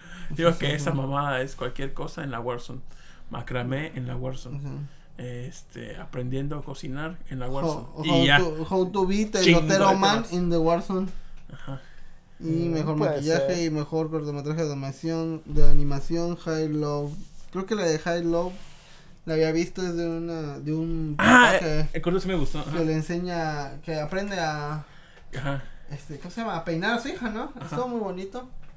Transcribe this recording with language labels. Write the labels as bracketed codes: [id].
[es] Digo que esa mamada es cualquier cosa en la Warzone. Macramé en la Warzone. Uh-huh. Aprendiendo a cocinar en la Warzone. [en] How to beat a Lotero Man in the Warzone. [es] Ajá. Y mejor maquillaje y mejor cortometraje de animación, High Love. Creo que la de High Love la había visto desde de un corto sí me gustó. Ajá. Que le enseña, que aprende a... Ajá. ¿Cómo se llama? A peinar a su hija, ¿no? Estuvo muy bonito.